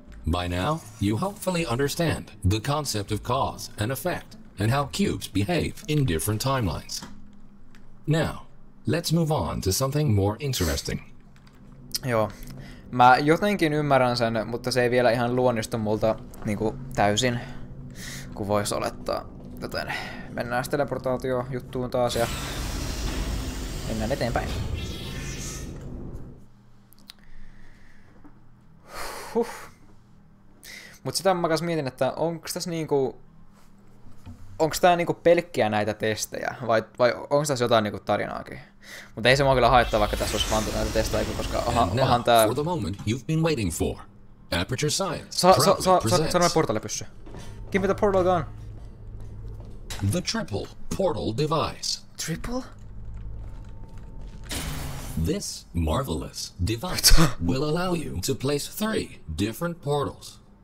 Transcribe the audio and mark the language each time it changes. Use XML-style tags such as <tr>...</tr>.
<en>By now, you hopefully understand the concept of cause and effect and how cubes behave in different timelines. Now, let's move on to something more interesting.</en> <fi>Joo. Mä jotenkin ymmärrän sen, mutta se ei vielä ihan luonnistu multa niinku täysin, kun vois olettaa. Joten mennään sitten teleportaatio-juttuun taas ja mennään eteenpäin. Huh. Mut sitä mä kans mietin, että onks tässä niinku... Onks tää niinku pelkkiä näitä testejä? Vai onks tässä jotain niinku tarinaakin? Mut ei se mua kyllä haittaa, vaikka tässä olisi vantu näitä testejä, koska onhan tää...</fi> <en>For the moment you've been waiting for. Aperture Science presents...</en> <fi>Sano portalle pyssy.</fi> <en>Give me the portal gun. The triple portal device. Triple? This marvelous device will allow you to place three different portals.</en>